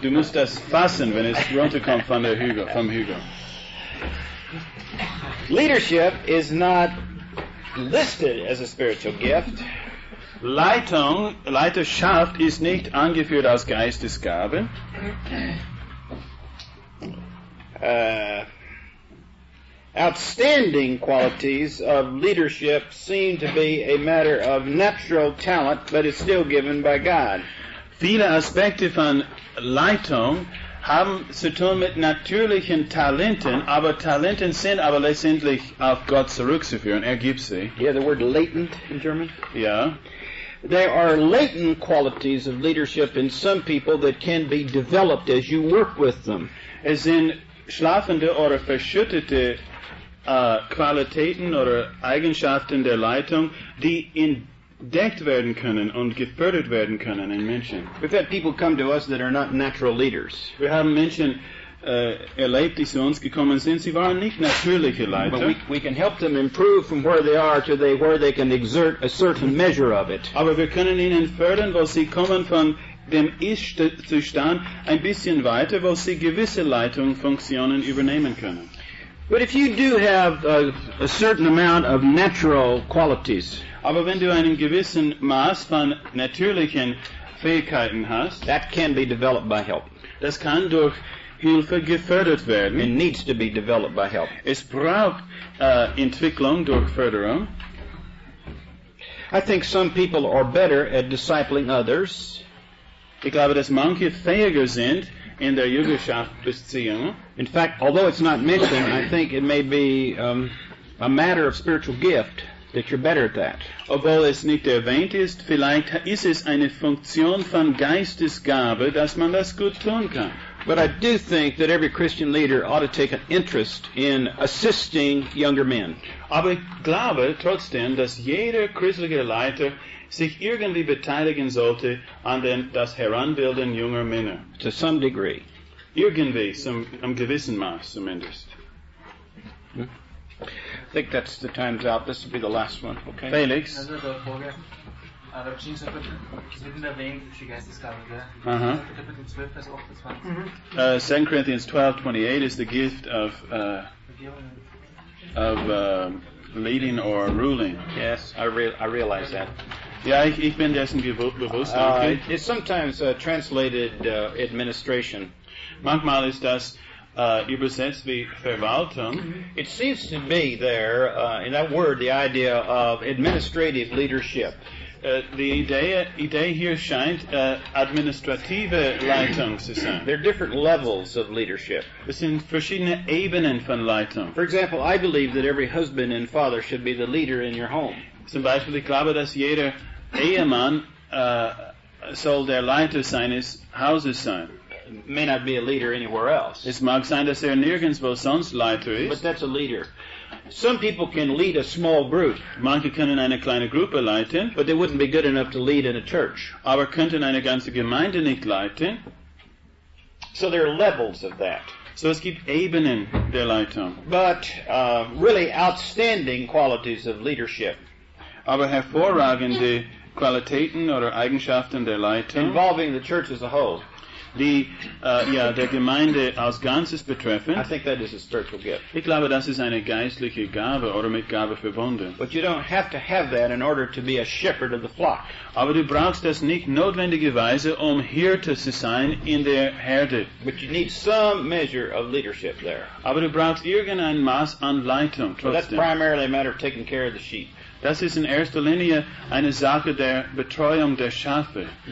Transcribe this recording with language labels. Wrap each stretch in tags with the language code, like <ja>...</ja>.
<de>Du musst das fassen, wenn es runterkommt von der Hügel, vom Hügel.</de> <en>Leadership is not listed as a spiritual gift.</en> <de>Leitung, Leiterschaft ist nicht angeführt als Geistesgabe.</de> <en>Outstanding qualities of leadership seem to be a matter of natural talent, but it's still given by God.</en> <de>Viele Aspekte von Leitung haben zu tun mit natürlichen Talenten, aber Talenten sind aber letztendlich auf Gott zurückzuführen. Er gibt sie.</de> <en>Yeah, the word latent in German? Yeah. There are latent qualities of leadership in some people that can be developed as you work with them.</en> <de>Es sind schlafende oder verschüttete Qualitäten oder Eigenschaften der Leitung, die entdeckt werden können und gefördert werden können in Menschen.</de> <en>We've had people come to us that are not natural leaders.</en> <de>Wir haben Menschen erlebt, die zu uns gekommen sind. Sie waren nicht natürliche Leiter.</de> <en>But we can help them improve from where they are to where they can exert a certain measure of it.</en> <de>Aber wir können ihnen fördern, wo sie kommen von dem Ist-Zustand ein bisschen weiter, wo sie gewisse Leitungsfunktionen übernehmen können.</de> <en>But if you do have a certain amount of natural qualities,</en> <de>aber wenn du einen gewissen Maß von natürlichen Fähigkeiten hast,</de> <en>that can be developed by help.</en> <de>Das kann durch Hilfe gefördert werden.</de> <en>It needs to be developed by help.</en> <de>Es braucht Entwicklung durch Förderung.</de> <en>I think some people are better at discipling others.</en> <de>Ich glaube, dass manche fähiger sind in der Jüngerschaftsbeziehung.</de> <en>In fact, although it's not mentioned, I think it may be a matter of spiritual gift that you're better at that.</en> <de>Obwohl es nicht erwähnt ist, vielleicht ist es eine Funktion von Geistesgabe, dass man das gut tun kann.</de> <en>But I do think that every Christian leader ought to take an interest in assisting younger men.</en> <de>Aber ich glaube trotzdem, dass jeder christliche Leiter sich irgendwie beteiligen sollte an den, das Heranbilden junger Männer.</de> <en>To some degree.</en> <de>Irgendwie, am gewissen Maß zumindest.</de> <en>I think that's the time's out. This will be the last one. Okay. Felix.</en> <de>Aber Jean, es wird nicht erwähnt, die Geistesgabe, gell? Kapitel 12, Vers 28.</de> <en>2 Corinthians 12, 28 ist the gift of leading or ruling. Yes, I realize that.</en> <de>Ja, ich bin dessen bewusst.</de> <en>It's sometimes translated administration.</en> <de>Manchmal ist das übersetzt wie Verwaltung.</de> <en>It seems to me there, in that word, the idea of administrative leadership.</en> <de>Die Idee hier scheint administrative Leitung zu sein.</de> <en>There are different levels of leadership.</en> <de>Es sind verschiedene Ebenen von Leitung.</de> <en>For example, I believe that every husband and father should be the leader in your home.</en> <de>Zum Beispiel, ich glaube, dass jeder Ehemann soll der Leiter seines Hauses sein.</de> <en>May not be a leader anywhere else.</en> <de>Es mag sein, dass nirgends wo sonst Leiter ist.</de> <en>But that's a leader. Some people can lead a small group.</en> <de>Manche können eine kleine Gruppe leiten.</de> <en>But they wouldn't be good enough to lead in a church.</en> <de>Aber könnten eine ganze Gemeinde nicht leiten.</de> <en>So there are levels of that.</en> <de>So es gibt Ebenen der Leitung.</de> <en>But really outstanding qualities of leadership.</en> <de>Aber hervorragende Qualitäten oder Eigenschaften der Leitung.</de> <en>Involving the church as a whole.</en> <de>Der Gemeinde als Ganzes betreffend.</de> <en>I think that is a spiritual gift.</en> <de>Ich glaube, das ist eine geistliche Gabe oder mit Gabe verbunden.</de> <en>But you don't have to have that in order to be a shepherd of the flock.</en> <de>Aber du brauchst das nicht notwendigerweise, Hirte zu sein in der Herde.</de> <en>But you need some measure of leadership there.</en> <de>Aber du brauchst irgendein Maß an Leitung.</de> <en>Well, that's primarily a matter of taking care of the sheep.</en> <de>Das ist in erster Linie eine Sache der Betreuung der Schafe.</de>